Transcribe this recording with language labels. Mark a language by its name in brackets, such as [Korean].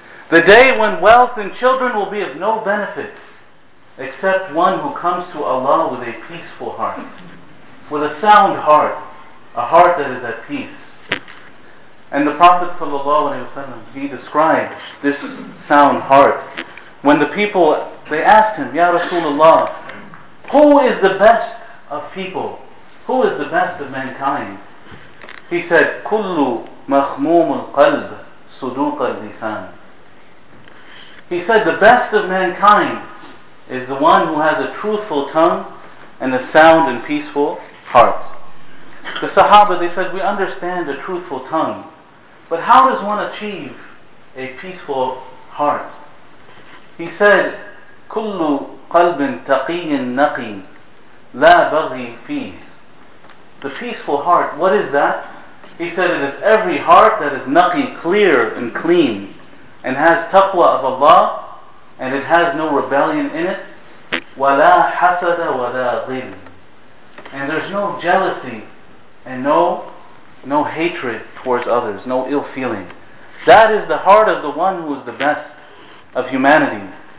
[English] The day when wealth and children will be of no benefit except one who comes to Allah with a peaceful heart, with a sound heart, a heart that is at peace. And the Prophet ﷺ, he described this sound heart when the people, they asked him, Ya Rasulullah, who is the best of people? Who is the best of mankind? He said, [Arabic] كُلُّ مَخْمُومُ الْقَلْبِ صُدُوقَ الْلِسَانِ. [English] He said, the best of mankind is the one who has a truthful tongue and a sound and peaceful heart. The Sahaba, they said, we understand a truthful tongue, but how does one achieve a peaceful heart? He said, [Arabic] كُلُّ قَلْبٍ تَقِيٍ نَقِيٍ لَا بَغِي فِيهِ. [English] The peaceful heart, what is that? He said, it is every heart that is naqi, clear and clean, and has taqwa of Allah, and it has no rebellion in it. [Arabic] وَلَا حَسَدَ وَلَا غِلٍ. [English] And there's no jealousy and no hatred towards others, no ill feeling. That is the heart of the one who is the best of humanity.